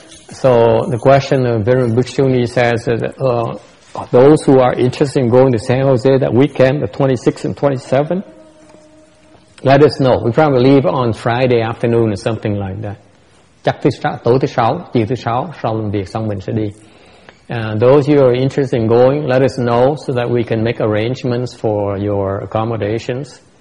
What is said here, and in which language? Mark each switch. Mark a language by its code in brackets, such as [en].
[en] So the question of Venerable Bhikshuni says that those who are interested in going to San Jose that weekend, the 26th and 27th, let us know. We probably leave on Friday afternoon or something like that. [vi] Chắc tối thứ sáu, chiều thứ sáu sau làm việc xong mình sẽ đi. [en] Those who are interested in going, let us know so that we can make arrangements for your accommodations.